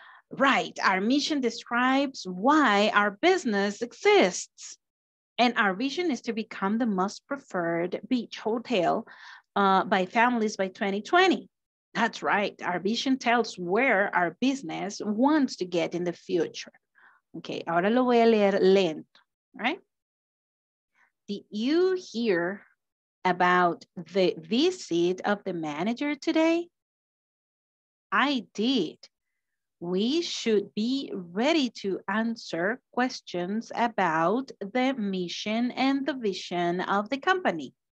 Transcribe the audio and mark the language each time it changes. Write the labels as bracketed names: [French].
[English] Right, our mission describes why our business exists. And our vision is to become the most preferred beach hotel by families by 2020. That's right, our vision tells where our business wants to get in the future. [Spanish] Okay, ahora lo voy a leer lento, right? [English] Did you hear about the visit of the manager today? I did. We should be ready to answer questions about the mission and the vision of the company.